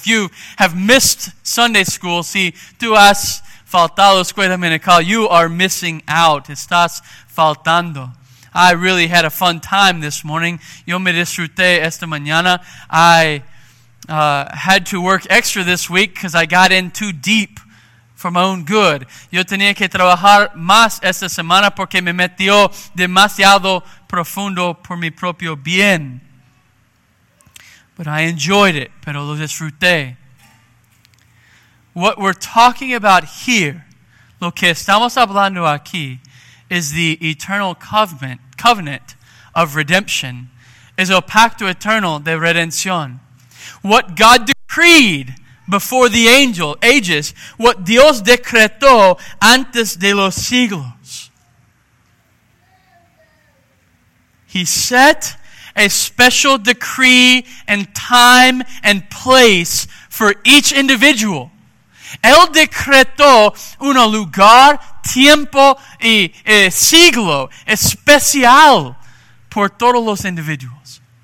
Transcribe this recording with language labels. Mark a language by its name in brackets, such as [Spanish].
[English] If you have missed Sunday school, [Spanish] si tú has faltado escuela dominical, [English] you are missing out. [Spanish] Estás faltando. [English] I really had a fun time this morning. [Spanish] Yo me disfruté esta mañana. [English] I had to work extra this week because I got in too deep for my own good. [Spanish] Yo tenía que trabajar más esta semana porque me metió demasiado profundo por mi propio bien. [English] But I enjoyed it, [Spanish] pero lo disfruté. [English] What we're talking about here, [Spanish] lo que estamos hablando aquí, [English] is the eternal covenant of redemption, [Spanish] es el pacto eterno de redención. [English] What God decreed before the angel ages, what [Spanish] Dios decretó antes de los siglos. [English] He set a special decree and time and place for each individual. [Spanish] Él decretó un lugar, tiempo y siglo especial por todos los individuos.